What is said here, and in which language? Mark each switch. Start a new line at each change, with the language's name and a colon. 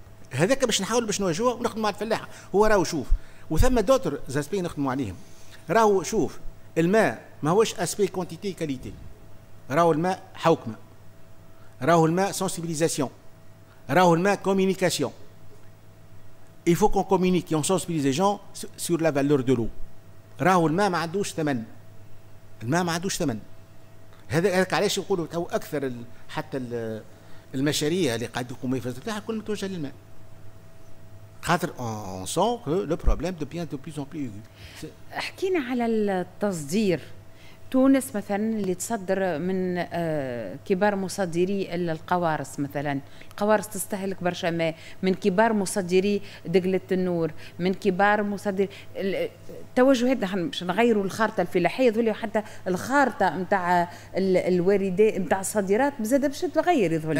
Arabic: هذاك باش نحاول باش نواجهوه ونخدموا مع الفلاحة. هو راهو شوف وثم دوتر زاسبي نخدموا عليهم، راهو شوف الماء ماهوش اسبي كونتيتي كاليتي، راهو الماء حوكمة، راهو الماء سنسيبيليزاسيون، راهو الماء كومينيكاسيون.
French: Il faut qu'on communique et on sensibilise les gens sur la valeur de l'eau.
Arabic: راهو الماء ما عندوش ثمن. الماء ما عندوش ثمن. هذاك علاش يقولوا تو أكثر حتى المشاريع اللي قاعدة تقوم بها تاعها كل متوجهة للماء.
French: خاطر on sent que le problème devient de plus en plus aigu.
Arabic: حكينا على التصدير. تونس مثلا اللي تصدر من كبار مصدري القوارص مثلا، القوارص تستهلك برشا ماء، من كبار مصدري دقلة النور، من كبار مصدري التوجه هذا باش نغيروا الخارطة الفلاحية ذولي وحتى الخارطة نتاع الواردات نتاع الصادرات بزاد باش تتغير ذولي.